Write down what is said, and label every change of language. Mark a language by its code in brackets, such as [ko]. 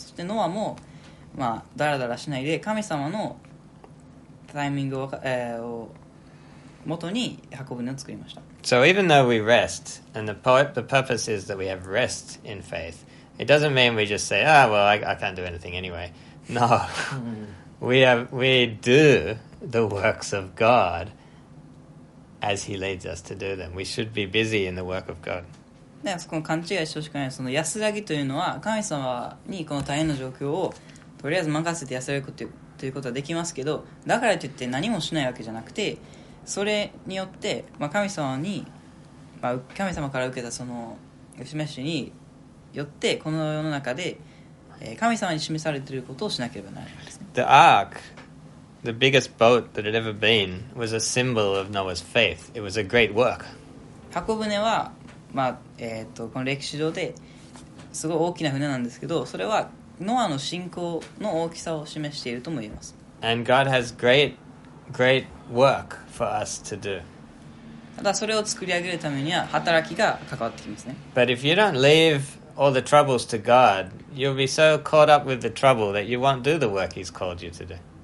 [ja] そしてノアも、まあ、だらだらしないで神様のタイミングを、元に箱舟を作りました。 [en] So even though we rest, and the purpose is that we have rest in faith, it doesn't mean we just say, ah, well, I can't do anything anyway. No. We do the works of God as He leads us to do them. We should be busy in the work of God. [ja] ね、そこの勘違いしてほしくない。その安らぎというのは、神様にこの大変な状況をとりあえず任せて安らぐということはできますけど、だからといって何もしないわけじゃなくて、それによって、まあ、神様に、まあ、神様から受けたその示しによって、この世の中で神様に示されていることをしなければならないですね。 [en] The ark, the biggest boat that had ever been, was a symbol of Noah's faith. It was a great work. [ja] 箱舟は、まあこの歴史上ですごい大きな船なんですけど、それはノアの信仰の大きさを示しているとも言えます。 [en] And God has great, great work for us to do. [ja] ただそれを作り上げるためには働きが関わってきますね。 [en] But if you don't leave all the troubles to God, you'll be so caught up with the trouble that you won't do the work He's called you to do.